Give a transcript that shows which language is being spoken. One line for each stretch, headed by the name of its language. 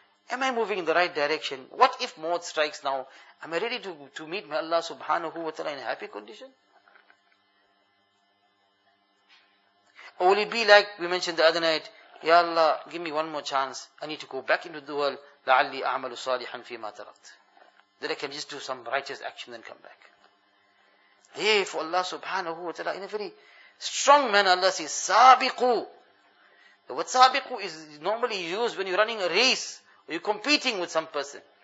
English: Am I moving in the right direction? What if maut strikes now? Am I ready to meet my Allah subhanahu wa ta'ala in a happy condition? Or will it be like we mentioned the other night, Ya Allah, give me one more chance. I need to go back into the world.
Arabic: لعلي أعمل صالحا فيما تركت.
English: That I can just do some righteous action and come back. Therefore Allah subhanahu wa ta'ala, in a very strong manner, Allah says, سابقوا. What سابقوا is normally used when you're running a race. You're competing with some person.